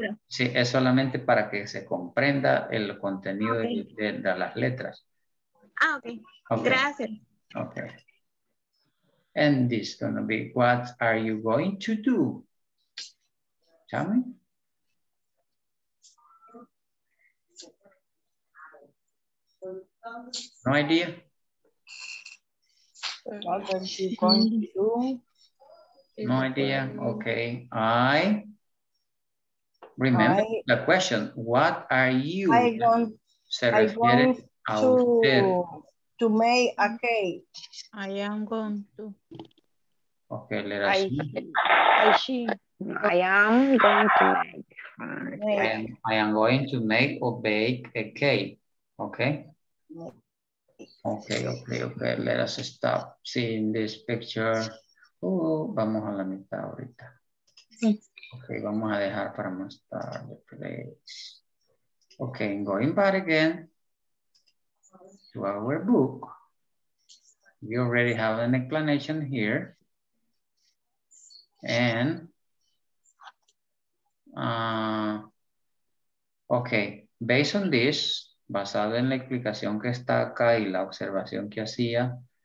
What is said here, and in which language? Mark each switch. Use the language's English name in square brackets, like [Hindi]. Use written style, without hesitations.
[Spanish] es solamente para que se comprenda el contenido de las letras. Gracias. [English] And this is going to be, what are you going to do? Tell me. No idea. What are you going to do? No idea. Okay. I remember the question. What are you going to make a cake? I am going to. Okay, let us I am going to make. I am going to make or bake a cake. Okay. Okay, okay, okay. Let us stop seeing this picture. [Spanish] Vamos a la mitad ahorita. Okay, vamos a dejar para más tarde, please. [English] Okay, I'm going back again to our book. We already have an explanation here. And okay, based on this, [Spanish] basado en la explicación que está acá y la observación que hacía,